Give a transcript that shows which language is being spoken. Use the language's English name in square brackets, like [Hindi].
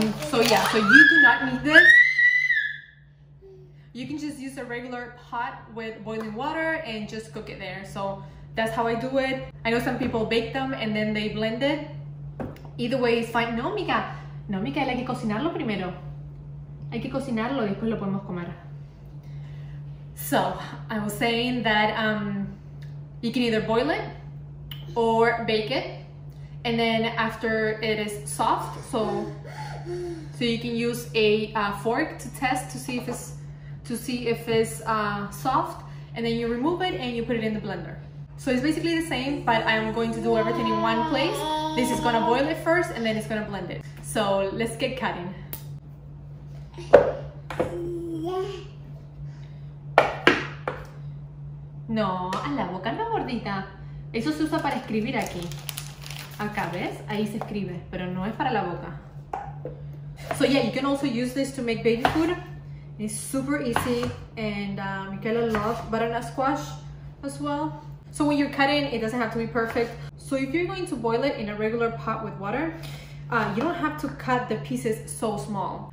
[English] So you do not need this. You can just use a regular pot with boiling water and just cook it there. So that's how I do it. I know some people bake them and then they blend it. Either way, it's fine. No, Mica. [Spanish] No, Mica, hay que cocinarlo primero. Hay que cocinarlo y después lo podemos comer. [English] So I was saying that you can either boil it or bake it. And then after it is soft, so you can use a fork to test to see if it's soft, and then you remove it and you put it in the blender. So it's basically the same, but I'm going to do everything in one place. This is gonna boil it first and then it's gonna blend it. So let's get cutting. [Spanish] No, a la boca no gordita. Eso se usa para escribir aquí. Acá, ¿ves? Ahí se escribe, pero no es para la boca. [English] So yeah, you can also use this to make baby food. It's super easy, and Micaela loves butternut squash as well. So when you're cutting, it doesn't have to be perfect. So if you're going to boil it in a regular pot with water, you don't have to cut the pieces so small.